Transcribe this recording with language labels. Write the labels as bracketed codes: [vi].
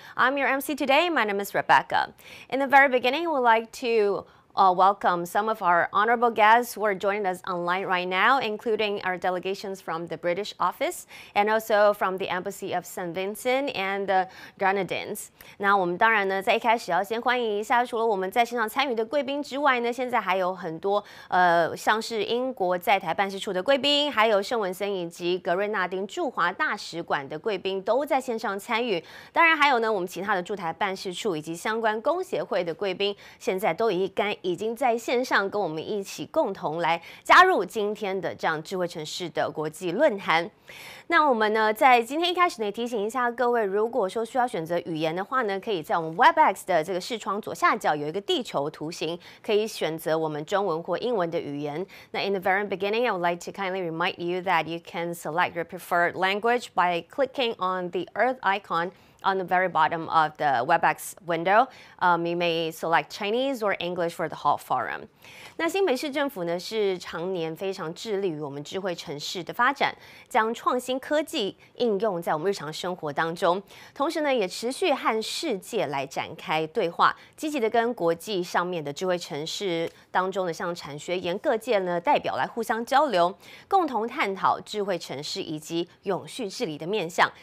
[en] I'm your MC today, my name is Rebecca. In the very beginning, we'd like to welcome some of our honorable guests who are joining us online right now, including our delegations from the British office and also from the Embassy of St. Vincent and the Grenadines. [zh] 那我们当然呢，在一开始要先欢迎一下，除了我们在线上参与的贵宾之外呢，现在还有很多像是英国在台办事处的贵宾，还有圣文森以及格瑞纳丁驻华大使馆的贵宾都在线上参与。当然还有呢，我们其他的驻台办事处以及相关工协会的贵宾，现在都已经在线上跟我们一起共同来加入今天的这样智慧城市的国际论坛。那我们呢，在今天一开始呢，提醒一下各位，如果说需要选择语言的话呢，可以在我们 WebEx 的这个视窗左下角有一个地球图形，可以选择我们中文或英文的语言。 [en] 那 in the very beginning, I would like to kindly remind you that you can select your preferred language by clicking on the Earth iconon the very bottom of the WebEx window. You may select Chinese or English for the whole forum. [zh] 那新北市政府呢，是常年非常致力于我们智慧城市的发展，将创新科技应用在我们日常生活当中，同时呢，也持续和世界来展开对话，积极的跟国际上面的智慧城市当中的像产学研各界呢代表来互相交流，共同探讨智慧城市以及永续治理的面向。